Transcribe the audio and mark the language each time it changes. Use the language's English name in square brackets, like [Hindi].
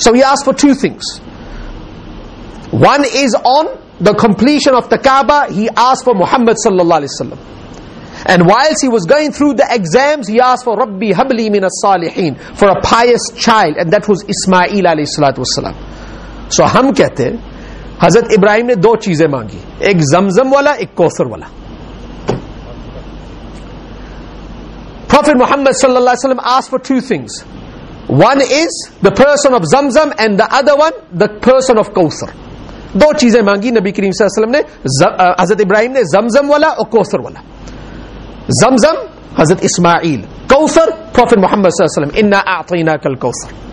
[English] So he asked for two things. One is on the completion of the Kaaba, he asked for Muhammad sallallahu alayhi wasallam. And whilst he was going through the exams, he asked for Rabbi habli min as-salihin, for a pious child, and that was Ismail alayhi salatu wasalam. [Urdu] سو ہم کہتے ہیں، حضرت ابراہیم نے دو چیزیں مانگی، ایک زمزم والا، ایک کوثر والا۔ [English] Prophet Muhammad sallallahu alaihi wasallam asked for two things. One is the person of zamzam, and the other one the person of kawthar. [Urdu] دو چیزیں مانگی نبی کریم صلی اللہ علیہ وسلم نے، حضرت ابراہیم نے، زمزم والا اور کوثر والا۔ زمزم، حضرت اسماعیل۔ کوثر، Prophet Muhammad صلی اللہ علیہ وسلم، [Arabic] انا اعطیناک الکوثر۔